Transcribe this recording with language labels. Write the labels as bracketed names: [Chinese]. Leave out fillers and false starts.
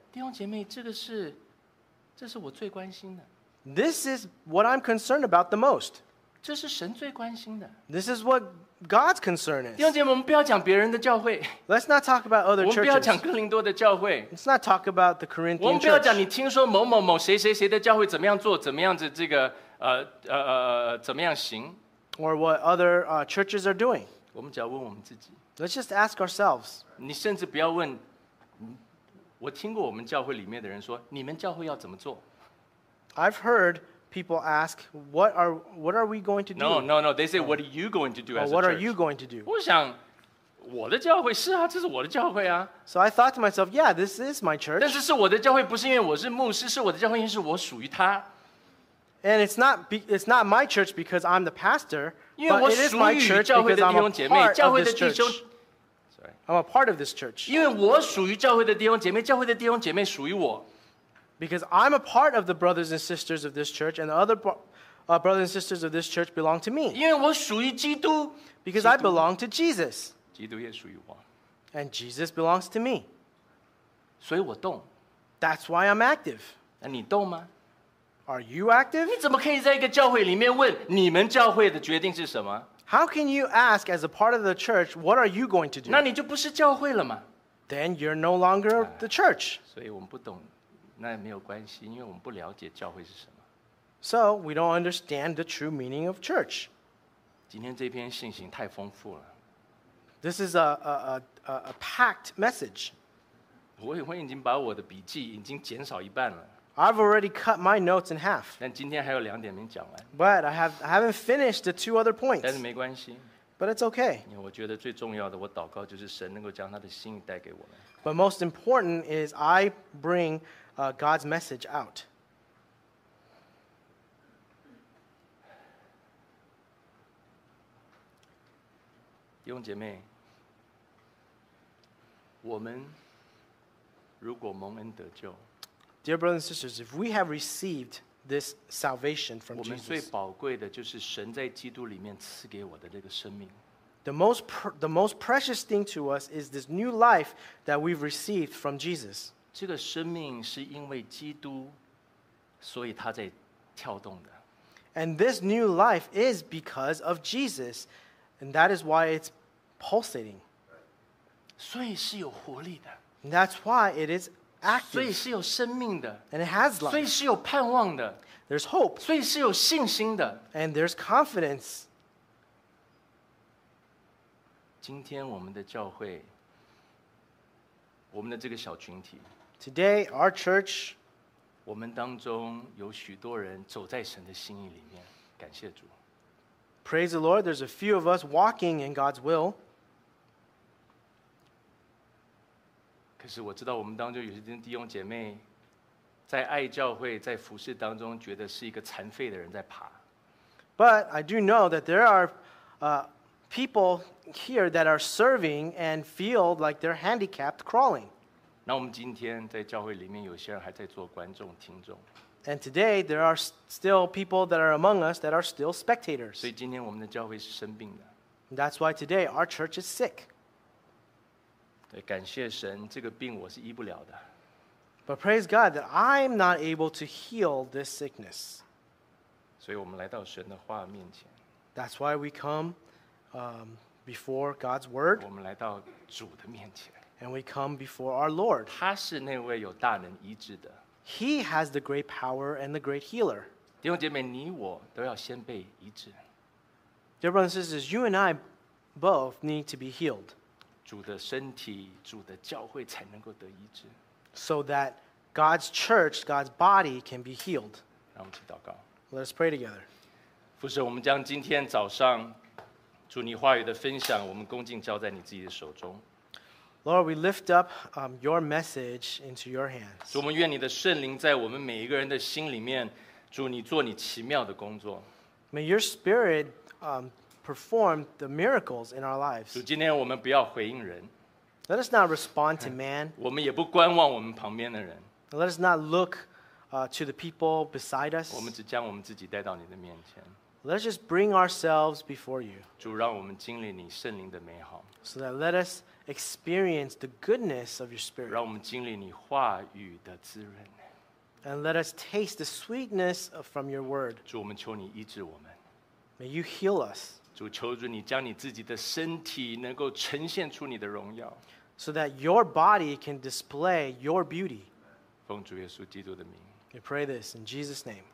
[Chinese] 弟兄姐妹，这是我最关心的。 [English] This is what I'm concerned about the most. [Chinese] 这是神最关心的。 [English] This is what God's concern is. [Chinese] 弟兄姐妹，我们不要讲别人的教会。 [English] Let's not talk about other churches. [Chinese] 我们不要讲哥林多的教会。 [English] Let's not talk about the Corinthian church. [Chinese] 我们不要讲你听说某某某谁谁谁的教会怎么样做，怎么样子这个怎么样行。 [English] Or what other churches are doing. [Chinese] 我们只要问我们自己。 [English] Let's just ask ourselves. [Chinese] 你甚至不要问，我听过我们教会里面的人说，你们教会要怎么做？ [English] I've heard people ask, what are we going to do? No, they say, what are you going to do as a church? What are you going to do? [Chinese] 我想，我的教会，是啊，这是我的教会啊。 [English] So I thought to myself, yeah, this is my church. [Chinese] 但是是我的教会，不是因为我是牧师，是我的教会，因为是我属于他。 [English] And it's not my church because I'm the pastor, but it is my church because I'm a part of this church. I'm a part of this church. [Chinese] 因为我属于教会的弟兄姐妹，教会的弟兄姐妹属于我。 [English] Because I'm a part of the brothers and sisters of this church, and the other brothers and sisters of this church belong to me. [Chinese] 因为我属于基督。 [English] Because I belong to Jesus. [Chinese] 基督也属于我。 [English] And Jesus belongs to me. [Chinese] 所以我动。 [English] That's why I'm active. [Chinese] 那你动吗？ [English] Are you active? [Chinese] 你怎么可以在一个教会里面问你们教会的决定是什么？ [English] How can you ask as a part of the church, what are you going to do? [Chinese] 那你就不是教会了吗？ [English] Then you're no longer the church. [Chinese] 所以我们不懂，那也没有关系，因为我们不了解教会是什么。 [English] So we don't understand the true meaning of church. [Chinese] 今天这篇信息太丰富了。 [English] This is a packed message. [Chinese] 我已经把我的笔记已经减少一半了。 [English] I've already cut my notes in half. [Chinese] 但今天还有两点没讲完。 [English] But I haven't finished the two other points. [Chinese] 但是没关系。 [English] But it's okay. [Chinese] 因为我觉得最重要的，我祷告就是神能够将他的心意带给我们。 [English] But most important is I bring God's message out. [Chinese] 弟兄姐妹，我们如果蒙恩得救。 [English] Dear brothers and sisters, if we have received this salvation from Jesus, [Chinese] 我们最宝贵的就是神在基督里面赐给我的这个生命。 [English] The most precious thing to us is this new life that we've received from Jesus. [Chinese] 这个生命是因为基督，所以它在跳动的。 [English] And this new life is because of Jesus, and that is why it's pulsating. [Chinese] 所以是有活力的。 [English] And that's why it is pulsating. Active. [Chinese] 所以是有生命的 [English] and it has life. [Chinese] 所以是有盼望的 [English] there's hope. [Chinese] 所以是有信心的 [English] and there's confidence. [Chinese] 今天我们的教会，我们的这个小群体 [English] today our church, [Chinese] 我们当中有许多人走在神的心意里面，感谢主。 [English] Praise the Lord. There's a few of us walking in God's will. [Chinese] 可是我知道我们当中有些弟兄姐妹在爱教会在服事当中觉得是一个残废的人在爬。 [English] But I do know that there are people here that are serving and feel like they're handicapped crawling. [Chinese] 那我们今天在教会里面有些人还在做观众听众。 [English] And today there are still people that are among us that are still spectators. [Chinese] 所以今天我们的教会是生病的。 [English] That's why today our church is sick. [Chinese] 感谢神，这个病我是医不了的。 [English] But praise God that I'm not able to heal this sickness. [Chinese] 所以我们来到神的话面前。 [English] That's why we come before God's word. [Chinese] 我们来到主的面前。 [English] And we come before our Lord. [Chinese] 他是那位有大能医治的。 [English] He has the great power and the great healer. [Chinese] 弟兄姐妹，你我都要先被医治。 [English] Dear brothers and sisters, you and I both need to be healed. [Chinese] 主的身体，主的教会才能够得医治。 [English] So that God's church, God's body can be healed. [Chinese] 让我们去祷告。 [English] Let us pray together. [Chinese] 父神，我们将今天早上主你话语的分享，我们恭敬交在你自己的手中。 [English] Lord, we lift up your message into your hands. [Chinese] 主，我们愿你的圣灵在我们每一个人的心里面，主你做你奇妙的工作。 [English] May your spirit perform the miracles in our lives. [Chinese] 主，今天我们不要回应人。 [English] Let us not respond to man. [Chinese] 我们也不观望我们旁边的人。 [English] Let us not look to the people beside us. [Chinese] 我们只将我们自己带到你的面前。 [English] Let us just bring ourselves before you. [Chinese] 主，让我们经历你圣灵的美好。 [English] So that let us experience the goodness of your spirit. [Chinese] 让我们经历你话语的滋润。 [English] And let us taste the sweetness from your word. [Chinese] 主，我们求你医治我们。 [English] May you heal us. [Chinese] 主，求主你将你自己的身体能够呈现出你的荣耀。 [English] So that your body can display your beauty. [Chinese] 奉主耶稣基督的名。 [English] We pray this in Jesus' name.